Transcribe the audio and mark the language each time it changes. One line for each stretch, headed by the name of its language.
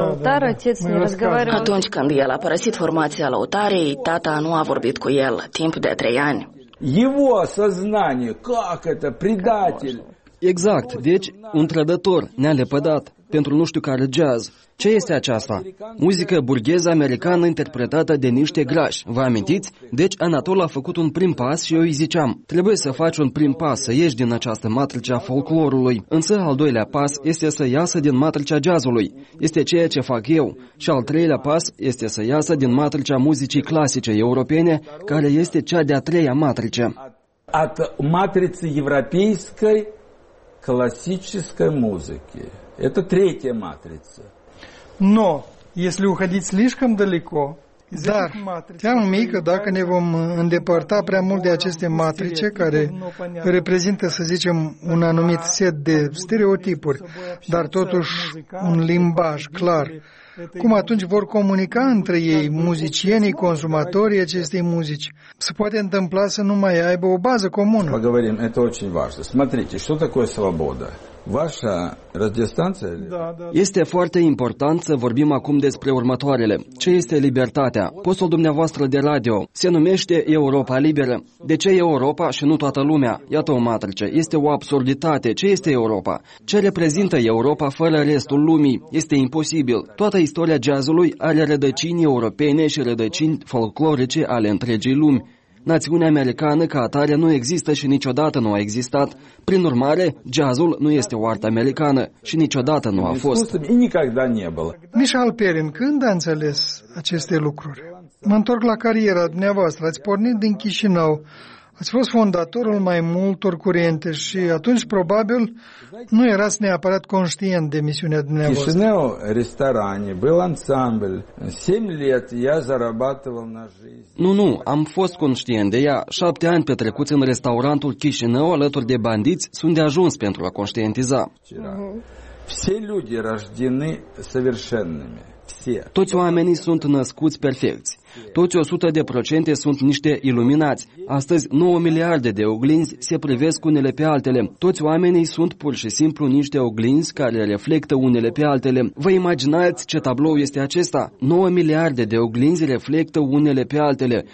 Romanian: Atunci când el a părăsit formația lăutarei, tata nu a vorbit cu el timp de 3 ani.
Russian: Его сознание, как это, предатель.
Romanian: Exact, deci un trădător ne-a lepădat pentru nu știu care jazz. Ce este aceasta? Muzică burgheză americană interpretată de niște grași, vă amintiți? Deci Anatol a făcut un prim pas și eu îi ziceam, trebuie să faci un prim pas, să ieși din această matrice a folclorului. Însă al doilea pas este să iasă din matricea jazzului. Este ceea ce fac eu. Și al treilea pas este să iasă din matricea muzicii clasice europene, care este cea de-a treia matrice. At matrice europeiscăi, классической музыки.
Russian: Это третья матрица. Но, если уходить слишком далеко,
Romanian: dar, chiar în mică, dacă ne vom îndepărta prea mult de aceste matrice care reprezintă, să zicem, un anumit set de stereotipuri, dar totuși un limbaj clar, cum atunci vor comunica între ei muzicienii, consumatorii acestei muzici? Se poate întâmpla să nu mai aibă o bază comună.
Russian: Поговорим, это очень важно. Смотрите, что такое свобода? Ваша радиостанция?
Romanian: Este foarte important să vorbim acum despre următoarele. Ce este libertatea? Postul dumneavoastră de radio se numește Europa Liberă. De ce Europa și nu toată lumea? Iată o matrice. Este o absurditate. Ce este Europa? Ce reprezintă Europa fără restul lumii? Este imposibil. Toată istoria jazzului are rădăcini europene și rădăcini folclorice ale întregii lumi. Națiunea americană ca atare nu există și niciodată nu a existat. Prin urmare, jazzul nu este o artă americană și niciodată nu a fost. Michal Perin, când a înțeles aceste lucruri? Mă întorc la cariera dumneavoastră. Ați pornit din Chișinău. Ați fost fondatorul mai multor curente și atunci, probabil, nu erați neapărat conștient de misiunea dumneavoastră.
Russian: Chișinău, restaurante, был ансамбль. 7 лет я зарабатывал на жизнь.
Romanian: Nu, am fost conștient de ea. 7 ani petrecuți în restaurantul Chișinău alături de bandiți sunt de ajuns pentru a conștientiza.
Russian: Все люди рождены совершенными.
Romanian: Toți oamenii sunt născuți perfecți. Toți 100% sunt niște iluminați. Astăzi 9 miliarde de oglinzi se privesc unele pe altele. Toți oamenii sunt pur și simplu niște oglinzi care reflectă unele pe altele. Vă imaginați ce tablou este acesta? 9 miliarde de oglinzi reflectă unele pe altele.